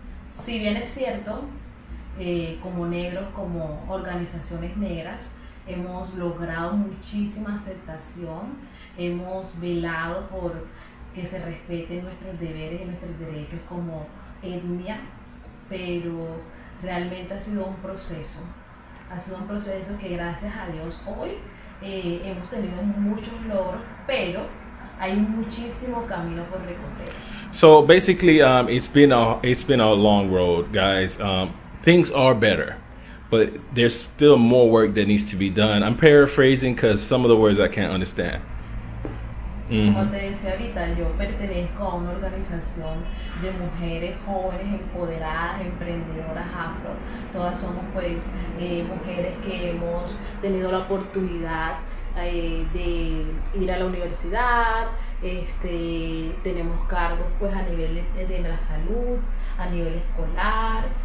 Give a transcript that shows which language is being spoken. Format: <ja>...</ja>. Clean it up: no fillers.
<es>Si bien es cierto, como negros, como organizaciones negras, hemos logrado muchísima aceptación, hemos velado por que se respeten nuestros deberes y nuestros derechos como etnia, pero realmente ha sido un proceso. Ha sido un proceso que, gracias a Dios, hoy hemos tenido muchos logros, pero hay muchísimo camino por recorrer.</es> <en>So basically, it's been a long road, guys. Things are better, but there's still more work that needs to be done. I'm paraphrasing because some of the words I can't understand. Mm-hmm.</en> <es>Como te decía ahorita, yo pertenezco a una organización de mujeres jóvenes, empoderadas, emprendedoras afro. Todas somos, pues, mujeres que hemos tenido la oportunidad de ir a la universidad, tenemos cargos, pues, a nivel de la salud, a nivel escolar.</es>